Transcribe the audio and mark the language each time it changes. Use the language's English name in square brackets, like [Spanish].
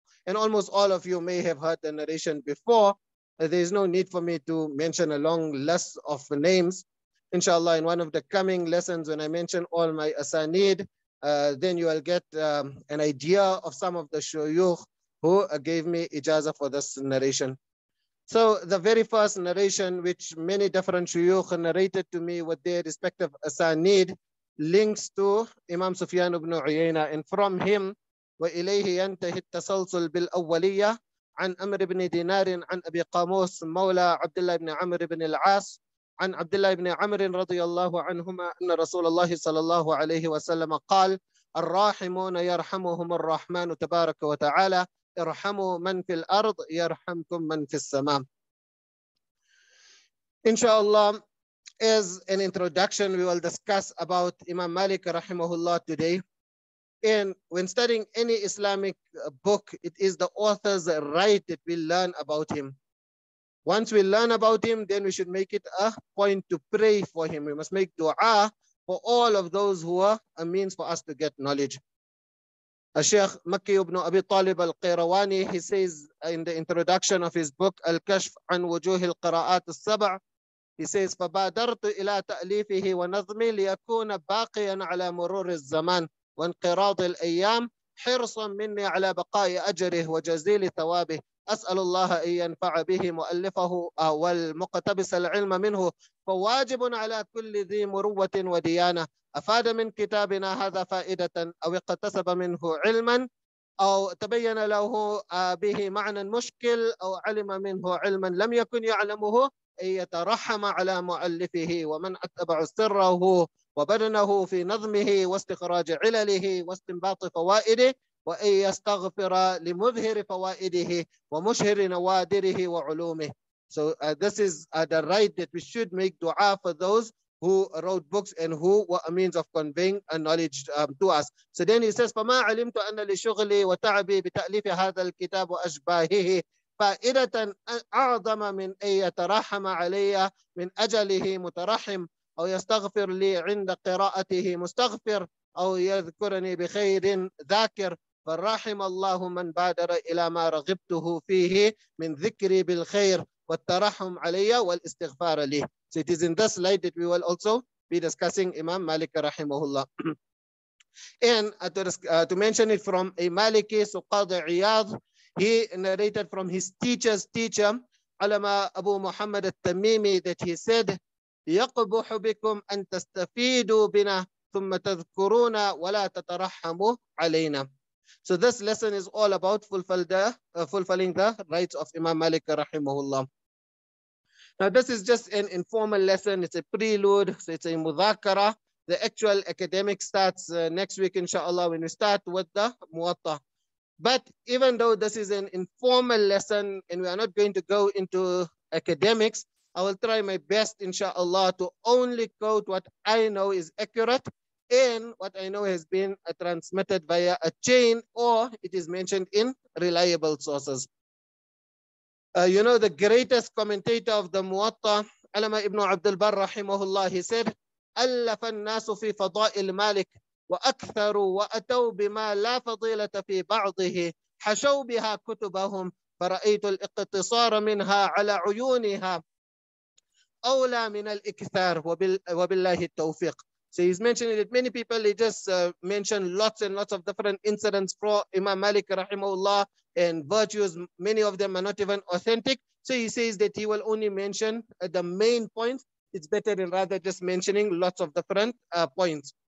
[English] And almost all of you may have heard the narration before. There is no need for me to mention a long list of names. Inshallah, in one of the coming lessons, when I mention all my asanid, then you will get an idea of some of the shuyukh who gave me ijazah for this narration. So the very first narration, which many different shuyukh narrated to me with their respective asanid, links to Imam Sufyan ibn Uyayna, and from him, [Arabic] وَإِلَيْهِ يَنْتَهِ التَّسَلْسُلْ بِالْأَوَّلِيَّةِ عَنْ أَمْرِ بْنِ دِنَارٍ عَنْ أَبِي قَامُوسٍ مَوْلَى عَبْدِ اللَّهِ بْنِ عَمْرِ بْنِ الْعَاسِ عن عبد الله بن عمر رضي الله عنهما أن رسول الله صلى الله عليه وسلم قال الراحمون يرحمهم الرحمن تبارك وتعالى ارحموا من في الأرض يرحمكم من في السماء. إن شاء الله, [English] as an introduction, we will discuss about Imam Malik [Arabic] رحمه الله [English] today. And when studying any Islamic book, it is the author's right that we learn about him. Once we learn about him, then we should make it a point to pray for him. We must make dua for all of those who are a means for us to get knowledge. Al-Sheikh Makki ibn Abi Talib al-Qayrawani, he says in the introduction of his book, Al-Kashf an Wujuh al-Qira'at al-Sab'a, he says, [Arabic] فَبَادَرْتُ إِلَىٰ تَأْلِيفِهِ وَنَظْمِي لِيَكُونَ بَاقِيًا عَلَىٰ مُرُورِ الزَّمَانِ وَانْقِرَاضِ الْأَيَّامِ حِرْصًا مِنِّي عَلَىٰ بَقَاءِ أَجْرِهِ وَجَزِيلِ ثَوَابِهِ أسأل الله أن ينفع به مؤلفه والمقتبس العلم منه فواجب على كل ذي مروة وديانة أفاد من كتابنا هذا فائدة أو اقتسب منه علما أو تبين له به معنى مشكل أو علم منه علما لم يكن يعلمه أن يترحم على مؤلفه ومن أتبع سره وبدنه في نظمه واستخراج علله واستنباط فوائده وأن يستغفر لمظهر فوائده ومشهر نوادره وعلومه. [English] So this is the right that we should make dua for those who wrote books and who were a means of conveying a knowledge to us. So then he says, [Arabic] فما علمت أن لشغلي وتعبي بتأليف هذا الكتاب وأشباهه فائدة أعظم من أن يترحم علي من أجله مترحم أو يستغفر لي عند قراءته مستغفر أو يذكرني بخير ذاكر فالرحم الله من بادر إلى ما رغبته فيه من ذكري بالخير والترحم علي والاستغفار لي. [English] So it is in this light that we will also be discussing Imam Malik [Arabic] رحمه الله. [English] And to mention it from a Maliki, so Qadi Iyadh, he narrated from his teacher's teacher, Alama Abu Muhammad al-Tamimi, that he said, [Arabic] يقبح بكم أن تستفيدوا بنا ثم تذكرونا ولا تترحموا علينا. [English] So this lesson is all about fulfilling the rights of Imam Malik rahimahullah. Now this is just an informal lesson. It's a prelude. So it's a mudhakara. The actual academic starts next week, inshallah, when we start with the Muwaṭṭa. But even though this is an informal lesson and we are not going to go into academics, I will try my best, inshallah, to only quote what I know is accurate. And what I know has been transmitted via a chain, or it is mentioned in reliable sources. You know, the greatest commentator of the Muwatta, Alama Ibn Abdul Barr, rahimahullah, he said, [Arabic] أَلَّفَ النَّاسُ فِي فَضَائِلْ مَالِكِ وَأَكْثَرُوا وَأَتَوْا بِمَا لَا فَضِيلَةَ فِي بَعْضِهِ حَشَوْ بِهَا كُتُبَهُمْ فَرَأَيْتُ الْإِقْتِصَارَ مِنْهَا عَلَى عُيُونِهَا أَوْلَى مِنَ الْإِكْثَارِ وَبِاللَّهِ التَّوْفِيقِ. [English] So he's mentioning that many people, they just mention lots and lots of different incidents for Imam Malik rahimahullah and virtues. Many of them are not even authentic. So he says that he will only mention the main points. It's better than rather just mentioning lots of different points.